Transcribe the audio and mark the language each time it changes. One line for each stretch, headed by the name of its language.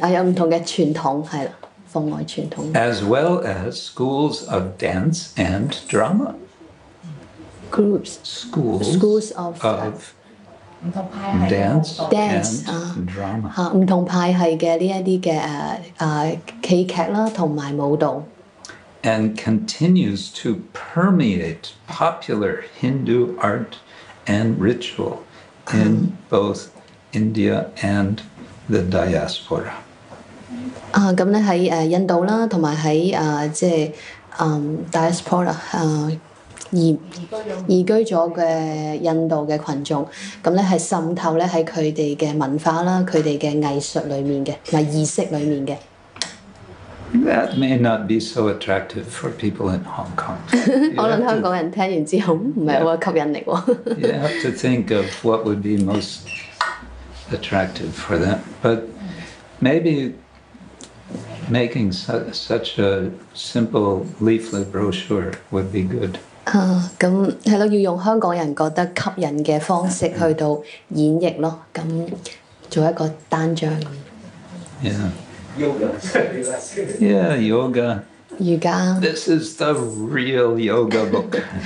Cantonese: 啊，有唔同嘅傳統係啦，奉外傳統。
English: As well as schools of dance and drama. Schools of dance and drama
Cantonese: 唔同派系嘅呢一啲嘅戲劇啦，同埋舞蹈。
English: And continues to permeate popular Hindu art and ritual in both India and the diaspora.
Cantonese: 咁咧喺印度啦，同埋喺即系diaspora 移居咗嘅印度嘅群眾，咁咧係滲透咧喺佢哋嘅文化啦，佢哋嘅藝術裡面嘅，同埋儀式裡面嘅。
English: That may not be so attractive for people in Hong Kong. You have to think of what would be most attractive for them. But maybe making such a simple leaflet brochure would be good.
Cantonese: 咁係咯，要用香港人覺得吸引嘅方式去到演繹咯，咁做一個單張。
English: Yeah, yoga.
Cantonese: 瑜伽。
English: This is the real yoga book.